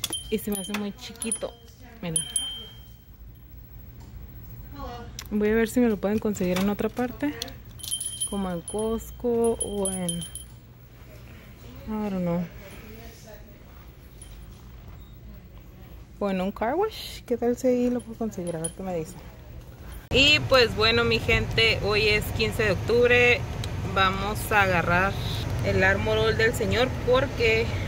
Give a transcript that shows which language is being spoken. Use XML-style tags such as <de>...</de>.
<es>Y se me hace muy chiquito. Mira. Voy a ver si me lo pueden conseguir en otra parte. Okay. Como en Costco o en...</es> <en>I don't know.</en> <es>O en un car wash. ¿Qué tal si ahí lo puedo conseguir? A ver qué me dice. Y pues bueno, mi gente, hoy es 15 de octubre. Vamos a agarrar el Armor All del señor porque...</es>